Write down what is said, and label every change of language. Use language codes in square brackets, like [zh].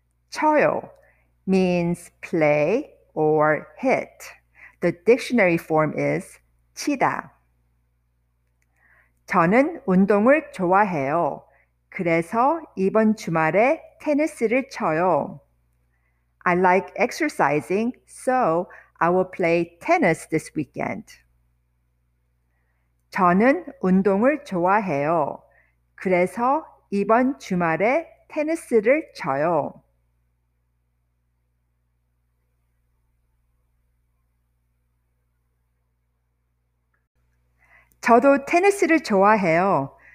[en] 쳐요 means play or hit. The dictionary form is 치다. [ko] 저는 운동을 좋아해요. 그래서 이번 주말에 테니스를 쳐요. [en] I like exercising, so I will play tennis this weekend. [ko] 저는 운동을 좋아해요. 그래서 이번 주말에 테니스를 쳐요. 저도 테니스를 좋아해요.